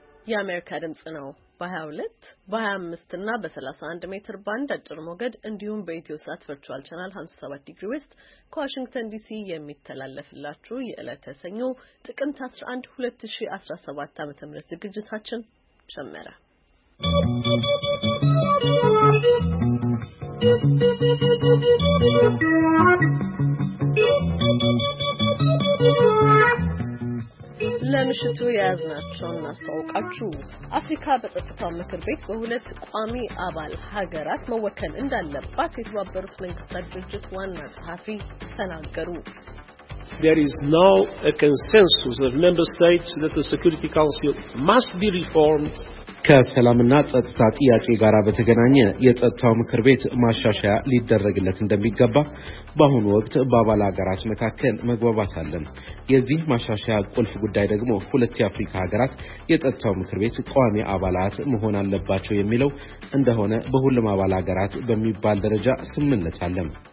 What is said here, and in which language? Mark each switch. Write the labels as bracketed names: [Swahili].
[Amharic] የአሜሪካ ድምጽ ነው። በ22 በ25 እና በ31 ሜትር ባንድ አጭር ሞገድ እንዲሁም በኢትዮሳት ቨርቹዋል ቻናል 57 ዲግሪ ዌስት ከዋሽንግተን ዲሲ የሚተላለፍላችሁ የዕለተ ሰኞ ጥቅምት 11 2017 ዓመተ ምህረት ዝግጅታችን ጀመረ። ለምሽቱ ያዝናቸውን አስተዋውቃችሁ። አፍሪካ በጸጥታው ምክር ቤት በሁለት ቋሚ አባል ሀገራት መወከል እንዳለባት የተባበሩት መንግስታት ድርጅት ዋና ጸሐፊ ተናገሩ። [English] There is now a consensus of member states that the Security Council must be reformed. [Amharic] ከሰላምና ጸጥታ ጥያቄ ጋር በተገናኘ የጸጥታው ምክር ቤት ማሻሻያ ሊደረግለት እንደሚገባ በአሁኑ ወቅት በአባል ሀገራት መካከል መግባባት አለ። የዚህ ማሻሻያ ቁልፍ ጉዳይ ደግሞ ሁለት የአፍሪካ ሀገራት የጸጥታው ምክር ቤት ቋሚ አባላት መሆን አለባቸው የሚለው እንደሆነ በሁሉም አባል ሀገራት በሚባል ደረጃ ስምምነት አለ።